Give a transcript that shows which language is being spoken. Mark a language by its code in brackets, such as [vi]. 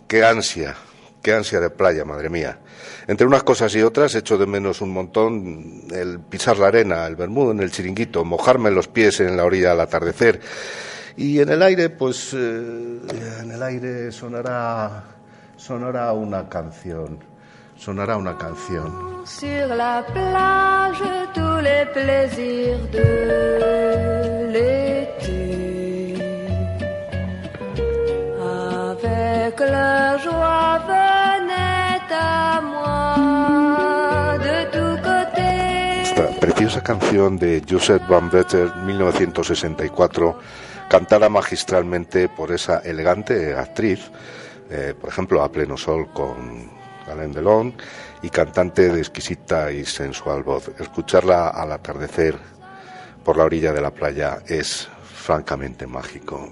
[es] ¡Qué ansia de playa, madre mía! Entre unas cosas y otras, echo de menos un montón el pisar la arena, el bermudo en el chiringuito, mojarme los pies en la orilla al atardecer. Y en el aire, pues, en el aire sonará una canción. Sonará una canción. [fr] Sur la plage, tous les plaisirs de l'été. La joie venait à moi de tu côté. [es] Esta preciosa canción de Joseph Van Vetter, 1964, cantada magistralmente por esa elegante actriz, por ejemplo, a pleno sol con Alain Delon, y cantante de exquisita y sensual voz. Escucharla al atardecer por la orilla de la playa es francamente mágico.